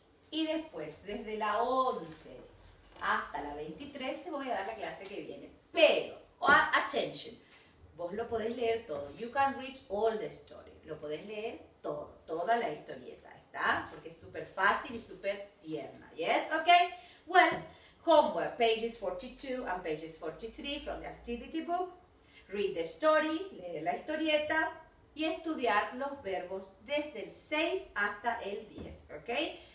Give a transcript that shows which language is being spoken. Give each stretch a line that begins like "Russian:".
Spanish: Y después, desde la 11 hasta la 23, te voy a dar la clase que viene. Pero, attention, vos lo podés leer todo.
English: You can read all the story.
Spanish: Lo podés leer todo, toda la historieta, ¿está? Porque es súper fácil y súper tierna.
English: Yes, okay. Well, homework, pages 42 and pages 43 from the activity book. Read the story,
Spanish: leer la historieta. Y estudiar los verbos desde el 6 hasta el 10, ¿ok?